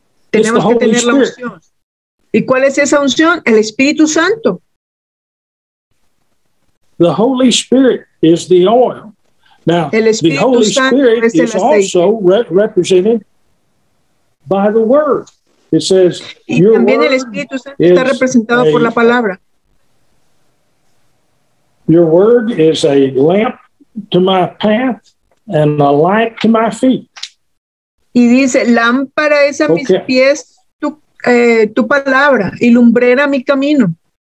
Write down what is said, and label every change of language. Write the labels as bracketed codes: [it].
[es] Tenemos que tener la unción. ¿Y cuál es esa unción? El Espíritu Santo. [en] The Holy Spirit is the oil. Now, the Holy Spirit is also represented by the Word. It says, your [es] también el Espíritu Santo está representado por la palabra. [en] Your Word is a lamp to my path and a light to my feet. [es] Y dice, lámpara es a mis pies tu palabra y lumbrera mi camino.